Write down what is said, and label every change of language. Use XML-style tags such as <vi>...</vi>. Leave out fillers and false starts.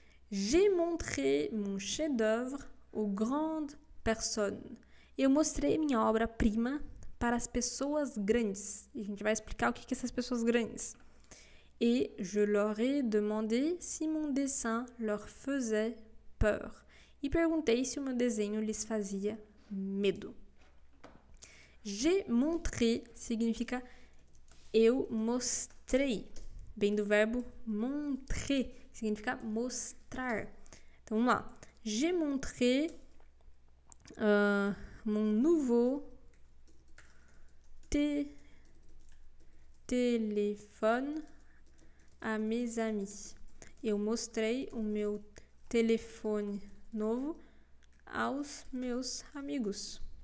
<fr>J'ai montré mon chef-d'œuvre aux grandes personnes.</fr> <pt>Eu mostrei minha obra-prima para as pessoas grandes. E a gente vai explicar o que são essas pessoas grandes.</pt> <fr>Et je leur ai demandé si mon dessin leur faisait peur.</fr> <pt>E perguntei se o meu desenho lhes fazia medo.</pt> <fr>J'ai montré</fr> <pt>significa eu mostrei. Vem do verbo montrer, que significa mostrar. Então vamos lá.</pt> <fr>J'ai montré mon nouveau téléphone à mes amis.</fr> <pt>Eu mostrei o meu telefone novo aos meus amigos.</pt>